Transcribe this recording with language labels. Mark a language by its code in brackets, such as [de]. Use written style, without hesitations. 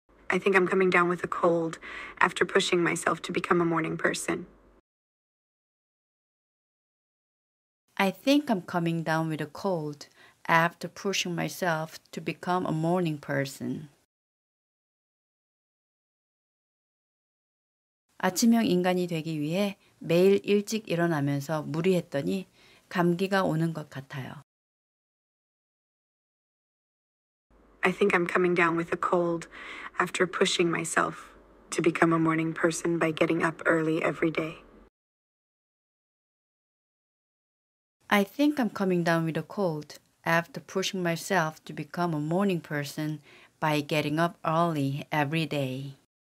[en] I think I'm coming down with a cold after pushing myself to become a morning person. I think I'm coming down with a cold after pushing myself to become a morning person. [ko] 아침형 인간이 되기 위해 매일 일찍 일어나면서 무리했더니 감기가 오는 것 같아요. [en] I think I'm coming down with a cold after pushing myself to become a morning person by getting up early every day. I think I'm coming down with a cold after pushing myself to become a morning person by getting up early every day.